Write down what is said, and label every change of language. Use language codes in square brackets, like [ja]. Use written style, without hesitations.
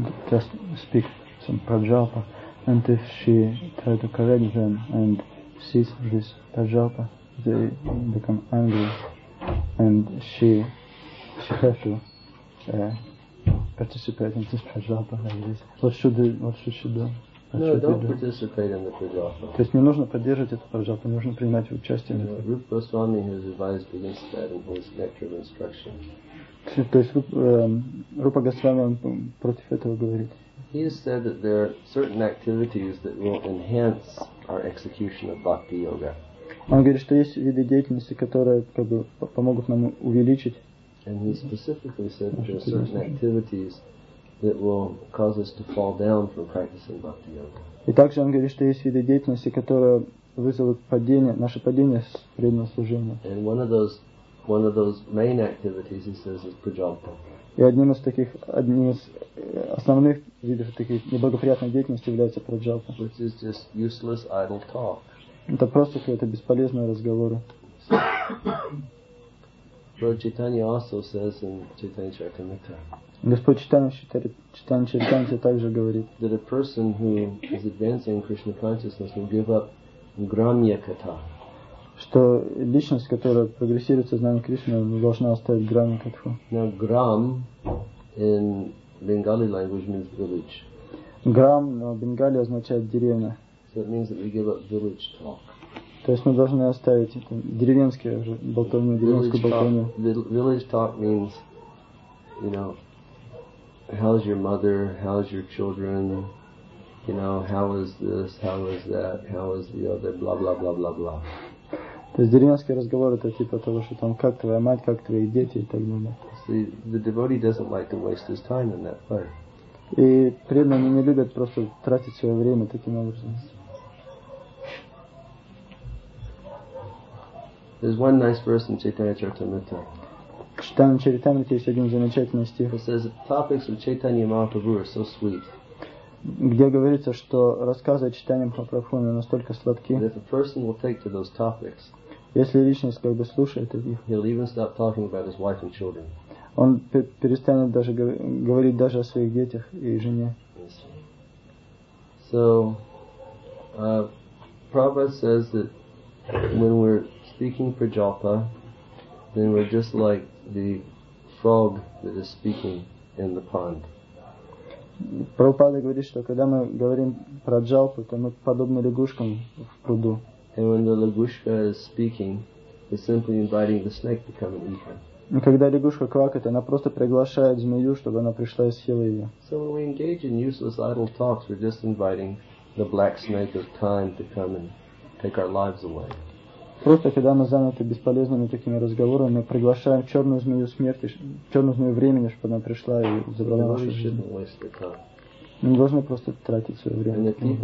[en] Some prajapa, and if she tries to correct them and sees this prajapa, they become angry, and she has to participate in this prajapa like this. What should she do? Participate in the prajapa. [ru] То есть не нужно поддерживать эту прajapa, нужно принимать участие. [en] Rupa Goswami has advised against that in his Nectar of Instruction. [ru] То есть Rupa Goswami против этого говорит. [en] He has said that there are certain activities that will enhance our execution of bhakti yoga. [ru] Он говорит, что есть виды деятельности, которые как бы помогут нам увеличить. [en] And he specifically said that there are certain activities that will cause us to fall down from practicing bhakti yoga. [ru] И также он говорит, что есть виды деятельности, которые вызовут падение, наше падение с преданного служения. [en] And one of those main activities, he says, is prajapa. [ru] И одним из основных видов таких неблагоприятной деятельности является праджапа. [en] Which is just useless idle talk. [ru] Это просто какие-то бесполезные разговоры. [en] Lord Chaitanya also says in Chaitanya Charitamrita. [ru] Господь Chaitanya Charitamrita также говорит. [en] That a person who is advancing Krishna consciousness will give up gramya kata. [ru] Что личность, которая прогрессирует в сознании Кришны, должна оставить грам и катху. [en] Now, gram in Bengali language means village. [ru] Грам в Бенгали означает деревня. [en] So it means that we give up village talk. [ru] То есть мы должны оставить это, деревенскую болтовню. [en] Village talk means, you know, how's your mother, how's your children, you know, how is this, how is that, how is the other, blah, blah, blah, blah, blah. [ru] То есть деревенский разговор это типа того, что там как твоя мать, как твои дети и так далее. [en] The devotee doesn't like to waste his time in that way. [ru] И преданные не любят просто тратить свое время таким образом. [en] There's one nice verse in Chaitanya Charitamrita. [ru] Читаем Чайтанья-мрита, есть один замечательный стих. [en] It says the topics of Chaitanya Mahaprabhu are so sweet. [ru] Где говорится, что рассказы о Чайтанья Махапрабху настолько сладки. [en] If a person will take to those topics, [ru] если личность как бы слушает их, [en] he'll even stop talking about his wife and children. [ru] Он перестанет даже говорить даже о своих детях и жене. [en] Yes. So, Prabhupada says that when we're speaking prajapa, then we're just like the frog that is speaking in the pond. [ru] Prabhupada говорит, что когда мы говорим про джалпу, то мы подобны лягушкам в пруду. [en] And when the lagushka is speaking, it's simply inviting the snake to come and eat her. [ru] И когда лягушка квакает, она просто приглашает змею, чтобы она пришла и съела ее. [en] So when we engage in useless idle talks, we're just inviting the black snake of time to come and take our lives away. [ru] Просто когда мы заняты бесполезными такими разговорами, мы приглашаем черную змею смерти, черную змею времени, чтобы она пришла и забрала нашу жизнь. Мы должны просто тратить свое время.